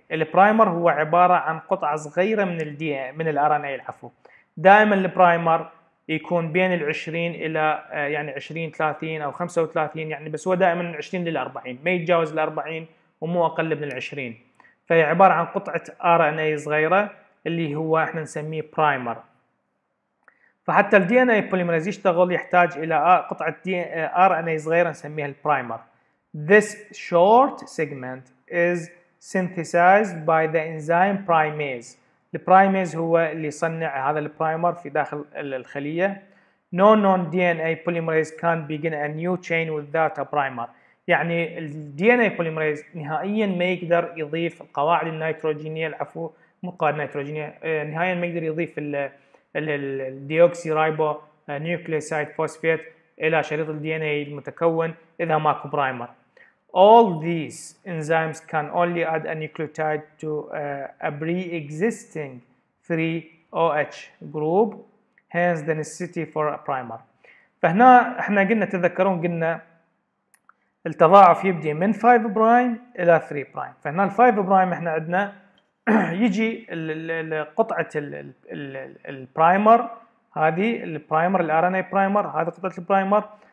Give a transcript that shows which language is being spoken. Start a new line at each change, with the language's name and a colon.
Arabic: البرايمر هو عباره عن قطعه صغيره من الدي من الار ان اي، العفو، دائما البرايمر يكون بين ال 20 الى يعني 20 30 او 35 يعني، بس هو دائما من 20 لل 40، ما يتجاوز ال 40 ومو اقل من ال 20. فهي عباره عن قطعه ار ان اي صغيره اللي هو احنا نسميه برايمر. فحتى الـ DNA polymerase يشتغل يحتاج إلى قطعة RNA صغيرة نسميها البرايمر.
English: This short segment is synthesized by the enzyme primase.
Arabic: البرايمز هو اللي يصنع هذا البرايمر في داخل الخلية.
English: No non-DNA polymerase can begin a new chain without a primer.
Arabic: يعني الـ DNA polymerase نهائياً ما يقدر يضيف القواعد النيتروجينية، العفو مو قواعد نيتروجينية، نهائياً ما يقدر يضيف الديوكسي رايبو نيوكليوسايد فوسفيت إلى شريط الـ DNA المتكون إذا ماكو برايمر.
English: All these enzymes can only add a nucleotide to a pre-existing 3OH group, hence the necessity for a primer.
Arabic: فهنا احنا قلنا، تذكرون قلنا التضاعف يبدي من 5 برايم الى 3 برايم. فهنا ال 5 برايم احنا عندنا يجي قطعة البرايمر، هذه البرايمر الـ RNA primer، هذه قطعة البرايمر.